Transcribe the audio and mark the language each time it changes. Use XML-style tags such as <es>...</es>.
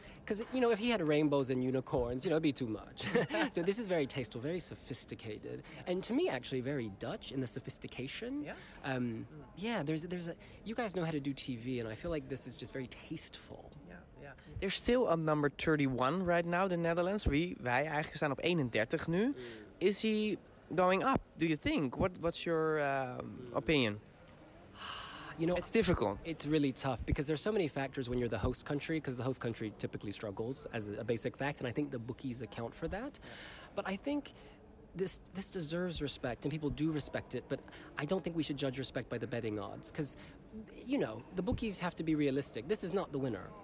<en>Because, you know, if he had rainbows and unicorns, you know, it'd be too much. So this is very tasteful, very sophisticated. And to me, actually, very Dutch in the sophistication. Yeah. There's you guys know how to do TV, and I feel like this is just very tasteful. Yeah. There's still a number 31 right now, the Netherlands.</en> <nl>Wij eigenlijk staan op 31 nu. Mm.</nl> <en>Is he going up, do you think? What's your opinion? You know, it's difficult. It's really tough because there's so many factors when you're the host country, because the host country typically struggles as a basic fact, and I think the bookies account for that. But I think this deserves respect, and people do respect it, but I don't think we should judge respect by the betting odds, because, you know, the bookies have to be realistic. This is not the winner.</en>